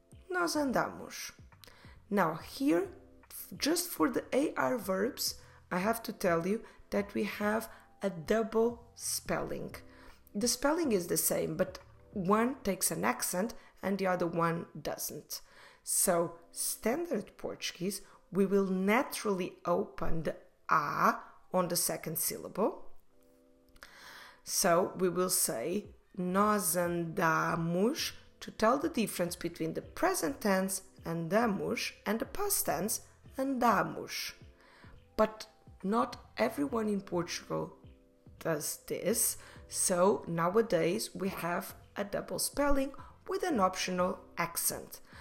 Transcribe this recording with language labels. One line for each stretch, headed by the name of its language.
Portuguese: Nós andamos.
English: Now here, just for the AR verbs, I have to tell you that we have a double spelling. The spelling is the same, but one takes an accent and the other one doesn't. So standard Portuguese, we will naturally open the A on the second syllable. So we will say
Portuguese: nós andamos.
English: To tell the difference between the present tense, andamos, and the past tense, andamos. But not everyone in Portugal does this, so nowadays we have a double spelling with an optional accent.